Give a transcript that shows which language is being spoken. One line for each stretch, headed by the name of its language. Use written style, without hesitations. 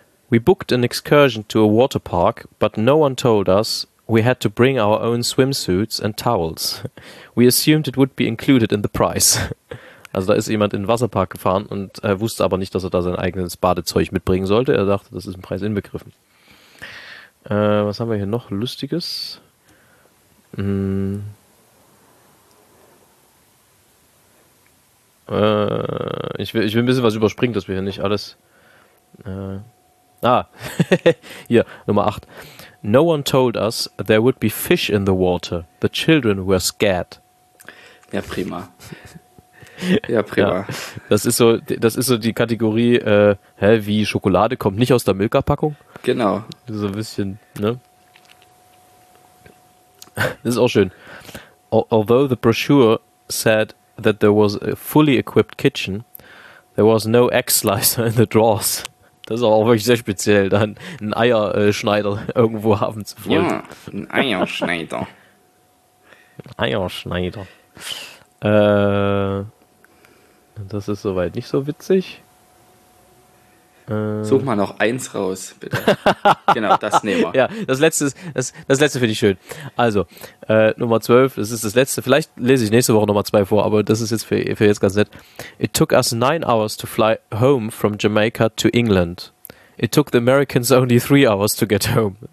English: We booked an excursion to a water park, but no one told us we had to bring our own swimsuits and towels. We assumed it would be included in the price.
German: Also da ist jemand in den Wasserpark gefahren und wusste aber nicht, dass er da sein eigenes Badezeug mitbringen sollte. Er dachte, das ist im Preis inbegriffen. Was haben wir hier noch Lustiges? Hm. Ich will ein bisschen was überspringen, dass wir hier nicht alles. Hier, Nummer 8.
English: No one told us there would be fish in the water. The children were scared.
German: Ja, prima. Ja, prima. Ja, das ist so die Kategorie, wie Schokolade kommt nicht aus der Milka-Packung. Genau. So ein bisschen, ne? Das ist auch schön.
English: Although the brochure said that there was a fully equipped kitchen, there was no egg slicer in the drawers.
German: Das ist auch wirklich sehr speziell, da einen Eierschneider irgendwo haben zu wollen. Ja, ein Eierschneider. Eierschneider. Das ist soweit nicht so witzig. Such mal noch eins raus, bitte. Genau, das nehmen wir. Ja, das letzte finde ich schön. Also, Nummer 12, das ist das letzte. Vielleicht lese ich nächste Woche nochmal zwei vor, aber das ist jetzt für jetzt ganz nett.
English: It took us 9 hours to fly home from Jamaica to England. It took the Americans only 3 hours to get home.